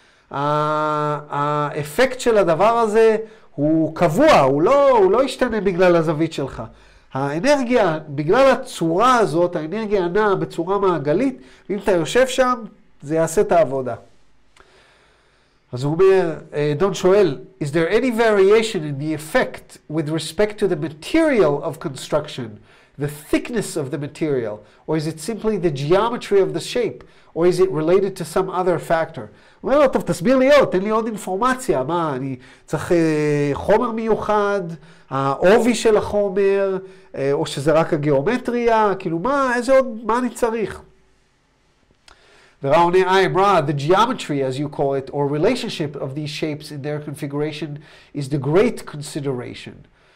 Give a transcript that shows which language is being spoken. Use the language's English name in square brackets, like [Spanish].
[Hebrew] האפקט של הדבר הזה הוא קבוע, הוא לא ישתנה בגלל הזווית שלך. האנרגיה, בגלל הצורה הזאת, האנרגיה נעה בצורה מעגלית, ואם אתה יושב שם, זה יעשה את העבודה. אז הוא אומר, דון שואל, [English] is there any variation in the effect with respect to the material of construction, the thickness of the material, or is it simply the geometry of the shape, or is it related to some other factor? [Hebrew] הוא אומר לו, טוב, תסביר לי עוד, תן לי עוד אינפורמציה, מה, אני צריך חומר מיוחד, העובי של החומר, או שזה רק הגיאומטריה, כאילו, מה, איזה עוד, מה אני צריך? וראוני, [English] I am Ra, the geometry, as you call it, or relationship of these shapes in their configuration, is the great consideration.